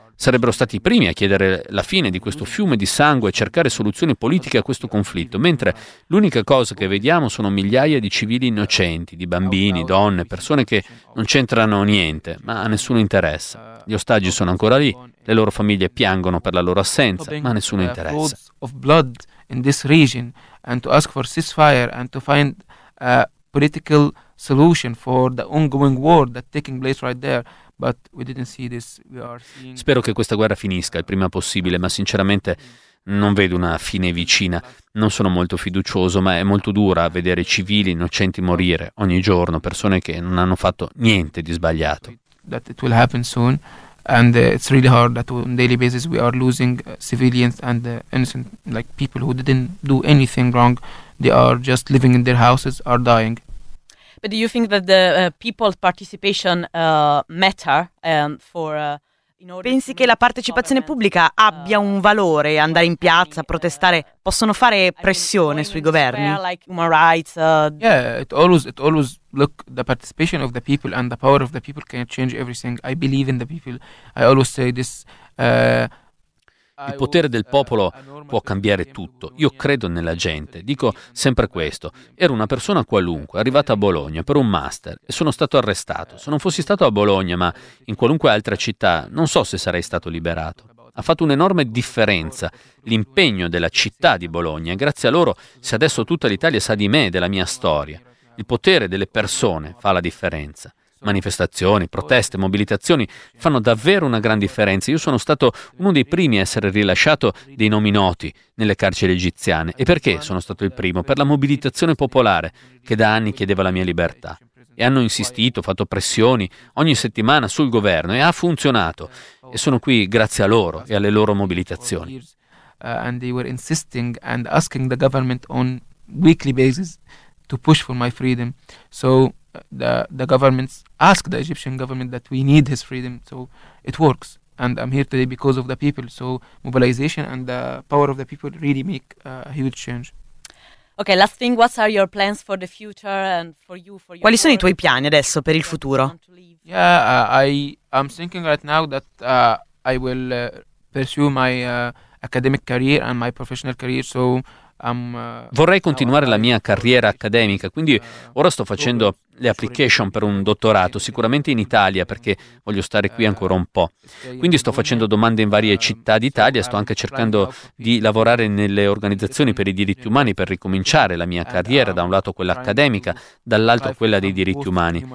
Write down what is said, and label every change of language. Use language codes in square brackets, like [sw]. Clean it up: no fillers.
[it] Sarebbero stati i primi a chiedere la fine di questo fiume di sangue e cercare soluzioni politiche a questo conflitto, mentre l'unica cosa che vediamo sono migliaia di civili innocenti, di bambini, donne, persone che non c'entrano niente, ma a nessuno interessa. Gli ostaggi sono ancora lì, le loro famiglie piangono per la loro assenza, ma a nessuno interessa. [en] In this region, and to ask for ceasefire and to find a political solution for the ongoing war that's taking place right there. But we didn't see this. We are seeing. [it] Spero che questa guerra finisca il prima possibile, ma sinceramente non vedo una fine vicina. Non sono molto fiducioso, ma è molto dura vedere civili innocenti morire ogni giorno, persone che non hanno fatto niente di sbagliato. [en] That it will happen soon, and it's really hard that on daily basis we are losing civilians and innocent like people who didn't do anything wrong. They are just living in their houses, are dying. But do you think that the people's participation matter for in order? [it] Pensi che la partecipazione pubblica abbia un valore? Andare in piazza, protestare, possono fare pressione sui governi? [en] Like human rights. It always look the participation of the people and the power of the people can change everything. I believe in the people. I always say this. [it] Il potere del popolo può cambiare tutto. Io credo nella gente. Dico sempre questo. Ero una persona qualunque, arrivata a Bologna per un master e sono stato arrestato. Se non fossi stato a Bologna, ma in qualunque altra città, non so se sarei stato liberato. Ha fatto un'enorme differenza l'impegno della città di Bologna. Grazie a loro, se adesso tutta l'Italia sa di me e della mia storia. Il potere delle persone fa la differenza. Manifestazioni, proteste, mobilitazioni fanno davvero una gran differenza. Io sono stato uno dei primi a essere rilasciato dei nomi noti nelle carceri egiziane. E perché sono stato il primo? Per la mobilitazione popolare che da anni chiedeva la mia libertà. E hanno insistito, fatto pressioni ogni settimana sul governo e ha funzionato. E sono qui grazie a loro e alle loro mobilitazioni. [en] And they were insisting and asking the government on weekly basis to push for my freedom. So the governments ask the Egyptian government that we need his freedom, so it works, and I'm here today because of the people. So mobilization and the power of the people really make a huge change. Okay, last thing, what are your plans for the future and for you, for [it] quali sono i tuoi piani adesso per il futuro? [en] I'm thinking right now that I will pursue my academic career and my professional career, so [it] vorrei continuare la mia carriera accademica, quindi ora sto facendo le application per un dottorato, sicuramente in Italia, perché voglio stare qui ancora un po'. Quindi sto facendo domande in varie città d'Italia, sto anche cercando di lavorare nelle organizzazioni per i diritti umani per ricominciare la mia carriera, da un lato quella accademica, dall'altro quella dei diritti umani.